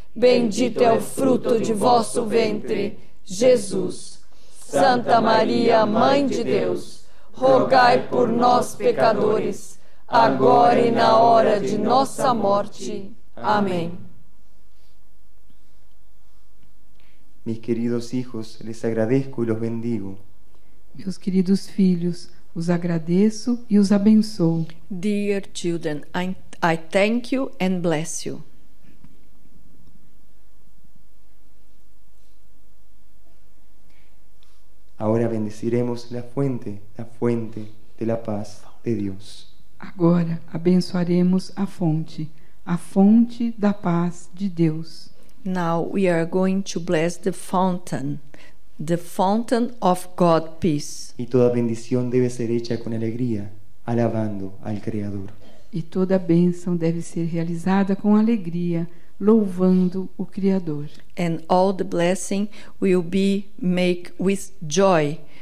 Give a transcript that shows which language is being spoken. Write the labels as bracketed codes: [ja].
[pt] Bendito é o fruto de vosso ventre, Jesus. Santa Maria, Mãe de Deus, rogai por nós, pecadores, agora e na hora de nossa morte. Amém. [es] Mis queridos hijos, les agradezco y los bendigo. [pt] Meus queridos filhos, os agradeço e os abençoo. [en] Dear children, I thank you and bless you. [es] Ahora bendeciremos la fuente de la paz de Dios. [pt] Agora abençoaremos a fonte da paz de Deus. [en] Now we are going to bless the fountain of God peace. [es] Y toda bendición debe ser hecha con alegría, alabando al Creador. [pt] E toda bênção deve ser realizada com alegria, louvando o Criador. [en] And all the blessing will be made with joy.